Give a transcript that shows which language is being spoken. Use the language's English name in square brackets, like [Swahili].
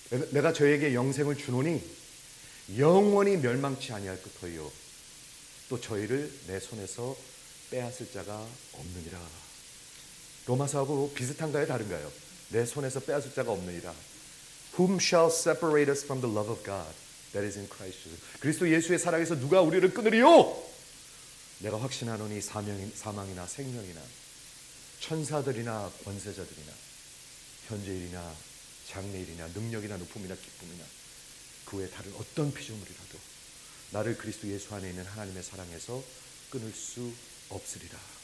[Korean] 내가 저에게 영생을 주노니 영원히 멸망치 아니할 것이요 또 저희를 내 손에서 빼앗을 자가 없느니라. 로마서하고 비슷한가요 다른가요? 내 손에서 빼앗을 자가 없느니라. [English] Whom shall separate us from the love of God that is in Christ Jesus? [Korean] 그리스도 예수의 사랑에서 누가 우리를 끊으리요? 내가 확신하노니 사망이나 생명이나 천사들이나 권세자들이나 현재일이나 장래일이나 능력이나 높음이나 기쁨이나 그 외 다른 어떤 피조물이라도 나를 그리스도 예수 안에 있는 하나님의 사랑에서 끊을 수 없으리라.